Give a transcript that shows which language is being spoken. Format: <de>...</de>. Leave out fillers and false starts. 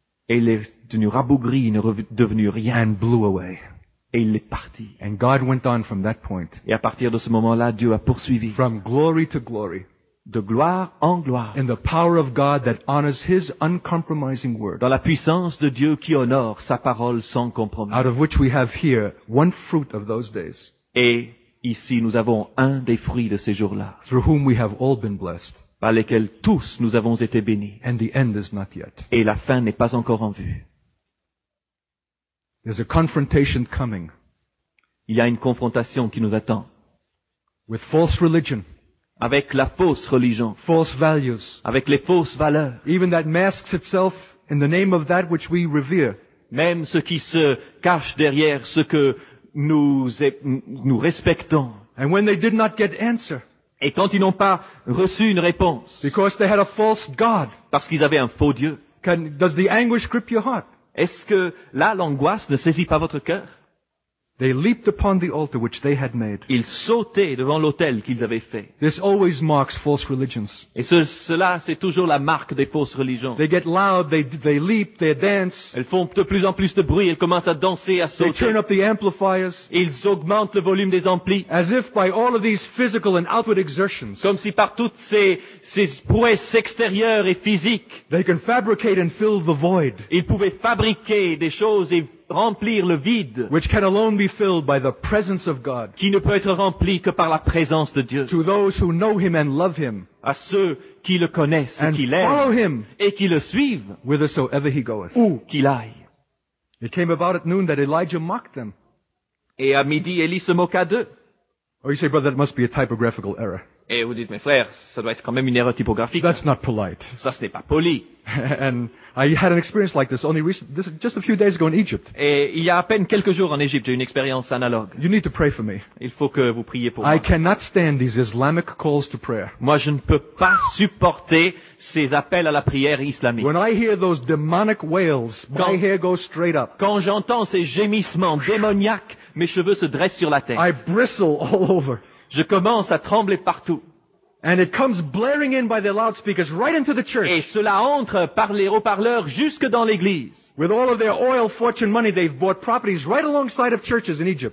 <fr>Et il est devenu rabougri, il n'est devenu rien.</fr> <en>And blew away.</en> <fr>Et il est parti.</fr> <en>And God went on from that point.</en> <fr>Et à partir de ce moment-là, Dieu a poursuivi.</fr> <en>From glory to glory.</en> <fr>De gloire en gloire.</fr> <en>In the power of God that honors his uncompromising word.</en> <fr>Dans la puissance de Dieu qui honore sa parole sans compromis.</fr> <en>Out of which we have here one fruit of those days.</en> <fr>Et ici nous avons un des fruits de ces jours-là.</fr> <en>Through whom we have all been blessed.</en> <fr>Par lesquels tous nous avons été bénis.</fr> <en>And the end is not yet.</en> <fr>Et la fin n'est pas encore en vue.</fr> <en>There's a confrontation coming.</en> <fr>Il y a une confrontation qui nous attend.</fr> <en>With false religion.</en> <fr>Avec la fausse religion.</fr> <en>False values.</en> <fr>Avec les fausses valeurs.</fr> <en>Even that masks itself in the name of that which we revere.</en> <fr>Même ce qui se cache derrière ce que nous respectons.</fr> <en>And when they did not get answer.</en> <fr>Et quand ils n'ont pas reçu une réponse.</fr> <en>Because they had a false God.</en> <fr>Parce qu'ils avaient un faux Dieu.</fr> <en>Does the anguish grip your heart?</en> <fr>Est-ce que là l'angoisse ne saisit pas votre cœur?</fr> <en>They leaped upon the altar which they had made.</en> <fr>Ils sautaient devant l'autel qu'ils avaient fait.</fr> <en>This always marks false religions.</en> <fr>Et cela, c'est toujours la marque des fausses religions.</fr> <en>They get loud, they leap, they dance.</en> <fr>Elles font de plus en plus de bruit, elles commencent à danser, à sauter.</fr> <en>They turn up the amplifiers.</en> <fr>Ils augmentent le volume des amplis.</fr> <en>As if by all of these physical and outward exertions.</en> <fr>Comme si par toutes ces prouesses extérieures et physiques.</fr> <en>They can fabricate and fill the void.</en> <fr>Ils pouvaient fabriquer des choses et remplir le vide,</fr> <en>which can alone be filled by the presence of God,</en> <fr>qui ne peut être rempli que par la présence de Dieu.</fr> <en>To those who know him and love him,</en> <fr>à ceux qui le connaissent</fr> <en>and</en> <fr>et qui l'aiment,</fr> <en>follow him,</en> <fr>et qui le suivent,</fr> <en>whithersoever he goeth,</en> <fr>où qu'il aille.</fr> <en>It came about at noon that Elijah mocked them.</en> <fr>Et à midi, Élie se moqua d'eux.</fr> <en>Or you say, brother, that must be a typographical error.</en> <fr>Et vous dites, mes frères, ça doit être quand même une erreur typographique.</fr> <en>That's not polite.</en> <fr>Ça, ce n'est pas poli.</fr> <en>And I had an experience like this only recently, just a few days ago in Egypt.</en> <fr>Et il y a à peine quelques jours en Égypte, j'ai eu une expérience analogue.</fr> <en>You need to pray for me.</en> <fr>Il faut que vous priez pour moi.</fr> <en>I cannot stand these Islamic calls to prayer.</en> <fr>Moi, je ne peux pas supporter ces appels à la prière islamique.</fr> <en>When I hear those demonic wails, my hair goes straight up.</en> <fr>Quand j'entends ces gémissements démoniaques, mes cheveux se dressent sur la tête.</fr> <en>I bristle all over.</en> <fr>Je commence à trembler partout.</fr> <en>And it comes blaring in by the loudspeakers right into the church.</en> <fr>Et cela entre par les haut-parleurs jusque dans l'église.</fr> <en>With all of their oil, fortune, money, they've bought properties right alongside of churches in Egypt.</en>